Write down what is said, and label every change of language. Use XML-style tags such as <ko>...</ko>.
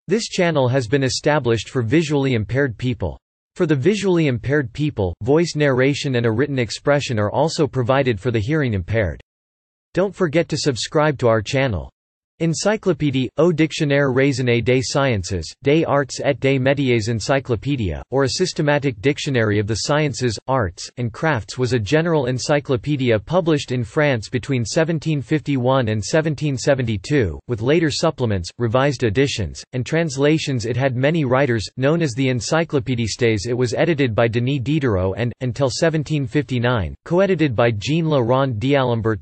<en>This channel has been established for visually impaired people. For the visually impaired people, voice narration and a written expression are also provided for the hearing impaired. Don't forget to subscribe to our channel.</en> <fr>Encyclopédie, au dictionnaire raisonné des sciences, des arts et des métiers.</fr> <en>Encyclopedia, or a systematic dictionary of the sciences, arts, and crafts, was a general encyclopedia published in France between 1751 and 1772, with later supplements, revised editions, and translations. It had many writers, known as the Encyclopédistes. It was edited by Denis Diderot and, until 1759, co-edited by Jean Le Rond d'Alembert.</en>